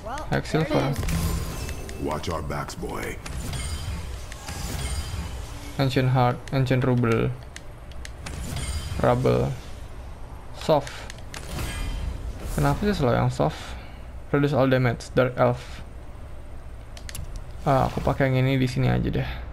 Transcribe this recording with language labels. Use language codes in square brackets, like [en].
[en] Hex silver. Watch our backs, boy. Ancient heart, ancient rubble. Rubble. Soft. [id] Kenapa sih selalu yang soft? [en] Reduce all damage, dark elf. [id] Aku pakai yang ini di sini aja deh.